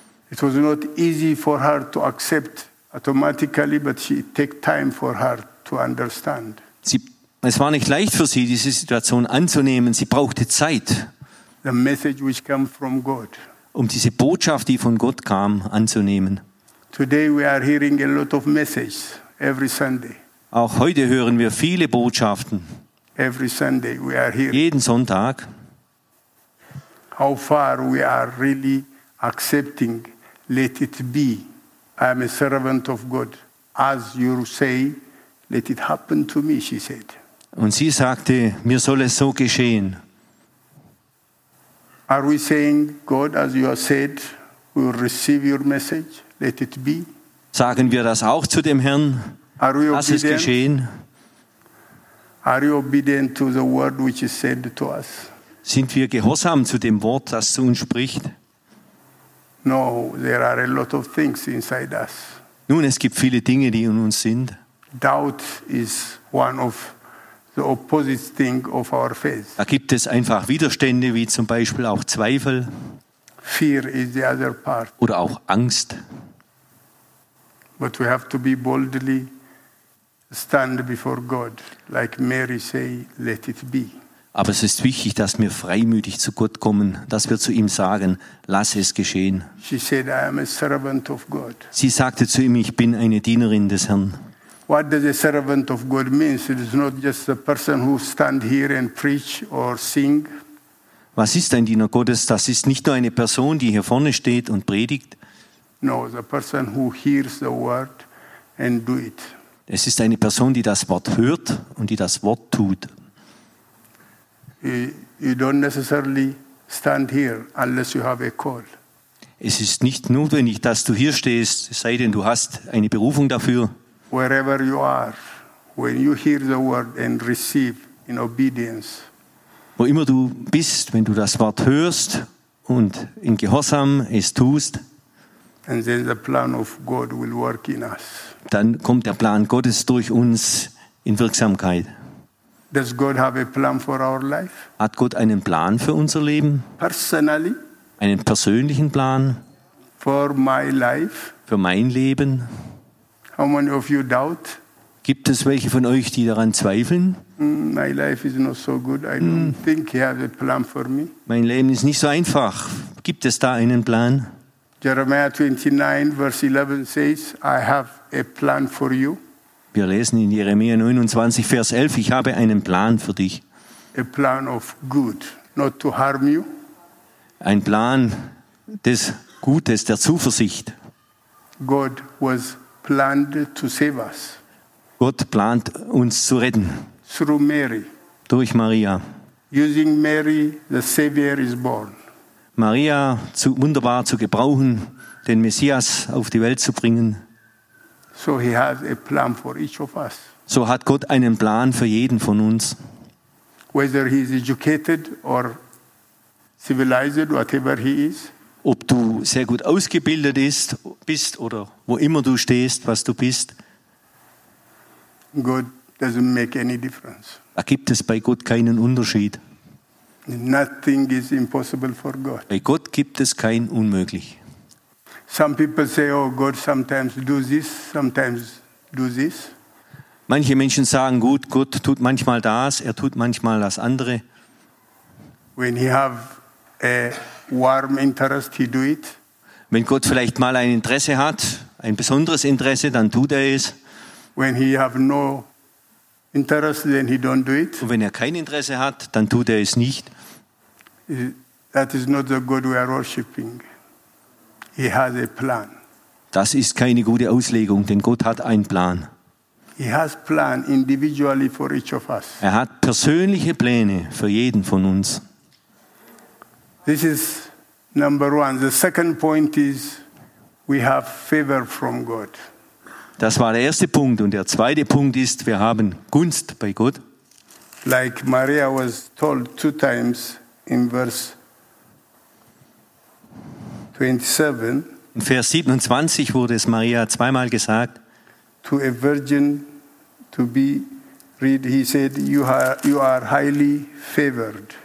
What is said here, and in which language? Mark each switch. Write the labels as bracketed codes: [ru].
[en] It was not easy for her to accept automatically, but she took time for her to understand. [de] Es war nicht leicht für sie, diese Situation anzunehmen. Sie brauchte Zeit, [en] the message which came from God, [de] um diese Botschaft, die von Gott kam, anzunehmen. [en] Today we are hearing a lot of messages every Sunday. [de] Auch heute hören wir viele Botschaften. [en] Every Sunday we are hearing. [de] Jeden Sonntag. [en] How far we are really accepting, let it be. I am a servant of God. As you say, let it happen to me, she said. [de] Und sie sagte, mir soll es so geschehen. [en] Are we saying, God, as you have said, we will receive your message, let it be? [de] Sagen wir das auch zu dem Herrn, lass es geschehen. [en] Are you obedient to the word which is said to us? [de] Sind wir gehorsam zu dem Wort, das zu uns spricht? [en] No, there are a lot of things inside us. [de] Nun, es gibt viele Dinge, die in uns sind. [en] Doubt is one of the opposite thing of our faith. [de] Da gibt es einfach Widerstände, wie zum Beispiel auch Zweifel. [en] Fear is the other part. [de] Oder auch Angst. [en] But we have to be boldly stand before God, like Mary say, let it be. [de] Aber es ist wichtig, dass wir freimütig zu Gott kommen, dass wir zu ihm sagen, lass es geschehen. [en] She said, I am a servant of God. [de] Sie sagte zu ihm, ich bin eine Dienerin des Herrn. [en] What does a servant of God mean? It is not just a person who stands here and preach or sing. [de] Was ist ein Diener Gottes? Das ist nicht nur eine Person, die hier vorne steht und predigt. [en] No, the person who hears the word and do it. [de] Es ist eine Person, die das Wort hört und die das Wort tut. [en] You don't necessarily stand here unless you have a call. [de] Es ist nicht notwendig, dass du hier stehst, sei denn du hast eine Berufung dafür. [en] Wherever you are, when you hear the word and receive in obedience. [de] Wo immer du bist, wenn du das Wort hörst und in Gehorsam es tust. [en] And then the plan of God will work in us. [de] Dann kommt der Plan Gottes durch uns in Wirksamkeit. [en] Does God have a plan for our life? [de] Hat Gott einen Plan für unser Leben? [en] Personally? [de] Einen persönlichen Plan? [en] For my life? [de] Für mein Leben? [en] How many of you doubt? [de] Gibt es welche von euch, die daran zweifeln? [en] My life is not so good. I don't think he has a plan for me. [de] Mein Leben ist nicht so einfach. Gibt es da einen Plan? [en] Jeremiah 29, verse 11 says, I have a plan for you. [de] Wir lesen in Jeremia 29, Vers 11, ich habe einen Plan für dich. [en] A plan of good, not to harm you. [de] Ein Plan des Gutes, der Zuversicht. [en] God was planned to save us. [de] Gott plant, uns zu retten. [en] Through Mary. [de] Durch Maria. [en] Using Mary, the Savior is born. [de] Maria zu, wunderbar zu gebrauchen, den Messias auf die Welt zu bringen. [en] So he has a plan for each of us. [de] So hat Gott einen Plan für jeden von uns. [en] Whether he is educated or civilized, whatever he is. [de] Ob du sehr gut ausgebildet bist oder wo immer du stehst, was du bist. [en] God doesn't make any difference. [de] Da gibt es bei Gott keinen Unterschied. [en] Nothing is impossible for God. [de] Bei Gott gibt es kein Unmöglich. [en] Some people say, oh God, sometimes do this, sometimes do this. [de] Manche Menschen sagen, gut, Gott tut manchmal das, er tut manchmal das andere. [en] When he have a warm interest, he do it. [de] Wenn Gott vielleicht mal ein Interesse hat, ein besonderes Interesse, dann tut er es. [en] When he have no interest, then he don't do it. [de] Und wenn er kein Interesse hat, dann tut er es nicht. [en] That is not the God we are worshiping. He has a plan. [de] Das ist keine gute Auslegung, denn Gott hat einen Plan. [en] He has plan individually for each of us. [de] Er hat persönliche Pläne für jeden von uns. [en] This is number one. The second point is we have favor from God. [de] Das war der erste Punkt. Und der zweite Punkt ist, wir haben Gunst bei Gott. [en] Like Maria was told two times in verse 27. [de] In Vers 27 wurde es Maria zweimal gesagt. [en] To a virgin to be, read, he said, you are highly favored.